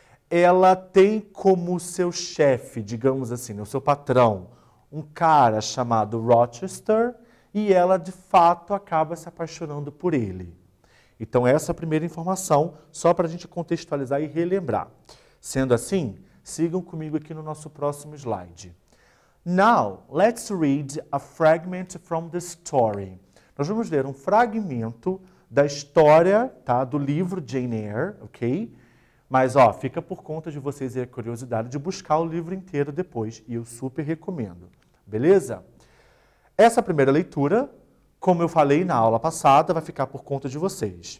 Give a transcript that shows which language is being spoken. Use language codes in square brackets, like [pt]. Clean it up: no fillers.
[pt] ela tem como seu chefe, digamos assim, o seu patrão, um cara chamado Rochester, e ela de fato acaba se apaixonando por ele. Então, essa é a primeira informação, só para a gente contextualizar e relembrar. Sendo assim, sigam comigo aqui no nosso próximo slide. [en] Now, let's read a fragment from the story. [pt] Nós vamos ler um fragmento da história, tá, do livro Jane Eyre, ok? Mas, ó, fica por conta de vocês e a curiosidade de buscar o livro inteiro depois, e eu super recomendo, beleza? Essa primeira leitura, como eu falei na aula passada, vai ficar por conta de vocês.